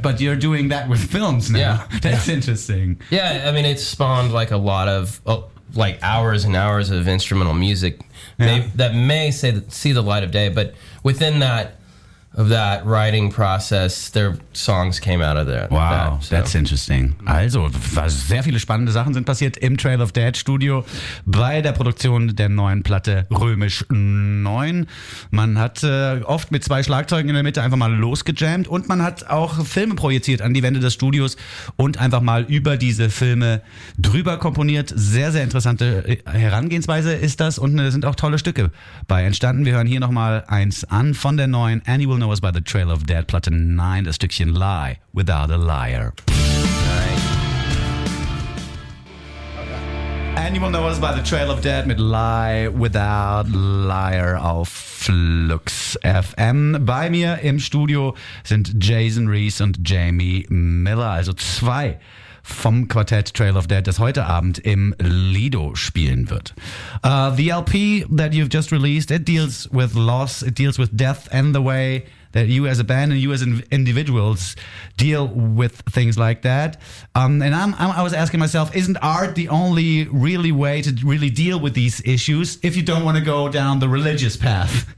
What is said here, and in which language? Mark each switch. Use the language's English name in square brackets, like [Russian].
[English] But you're doing that with films now. Yeah. That's interesting. Yeah. I mean, it's spawned a lot of hours and hours of instrumental music that may see the light of day, but within that writing process, their songs came out of there. Wow, that's interesting. [German] Also, sehr viele spannende Sachen sind passiert im Trail of Dead Studio bei der Produktion der neuen Platte Römisch 9. Man hat oft mit zwei Schlagzeugen in der Mitte einfach mal losgejammt und man hat auch Filme projiziert an die Wände des Studios und einfach mal über diese Filme drüber komponiert. Sehr, sehr interessante Herangehensweise ist das und es sind auch tolle Stücke bei entstanden. Wir hören hier nochmal eins an von der neuen Annie Will Know Us by the Trail of Dead Platte 9, das Stückchen Lie Without a Liar. And You Will Know Us by the Trail of Dead mit Lie Without Liar auf Flux FM. Bei mir im Studio sind Jason Rees und Jamie Miller, also zwei vom Quartett Trail of Dead, das heute Abend im Lido spielen wird. [English] The LP that you've just released, it deals with loss, it deals with death and the way that you as a band and you as individuals deal with things like that. And I was asking myself, isn't art the only really way to really deal with these issues if you don't want to go down the religious path?